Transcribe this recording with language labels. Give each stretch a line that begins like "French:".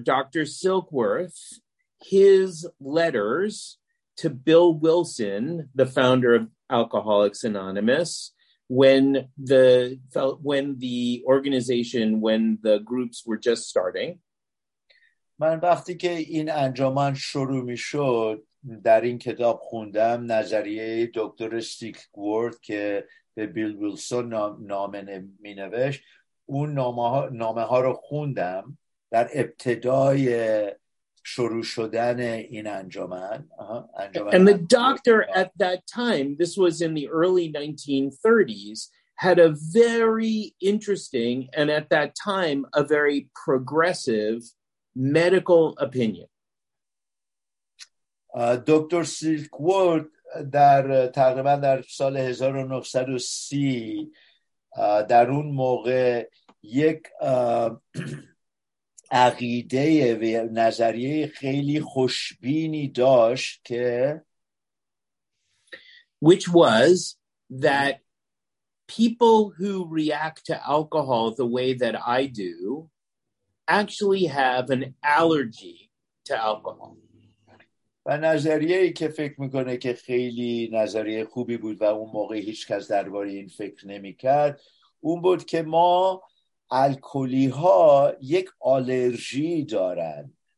English: Silkworth, his letters to Bill Wilson, the founder of Alcoholics Anonymous, when the groups were just starting.
Persian: من وقتی که این انجمن شروع می شد در این کتاب خوندم نظریه دکتر سیلکورث که به بیل ویلسون نامه می نوشت اون نامه ها رو خوندم در ابتدای شروع شدن این انجمن.
English: And the doctor at that time, this was in the early 1930s, had a very interesting and at that time a very progressive medical opinion.
Persian: دکتر سیلکورث در تقریبا در سال 1930 در اون موقع یک عقیده و نظریه خیلی خوشبینی داشت که
English: which was that people who react to alcohol the way that I do actually have an allergy to alcohol.
Persian: و نظریه‌ای که فکر میکنه که خیلی نظریه خوبی بود و اون موقع هیچ کس درباره این فکر نمیکرد اون بود که ما الکلی ها یک آلرژی دارن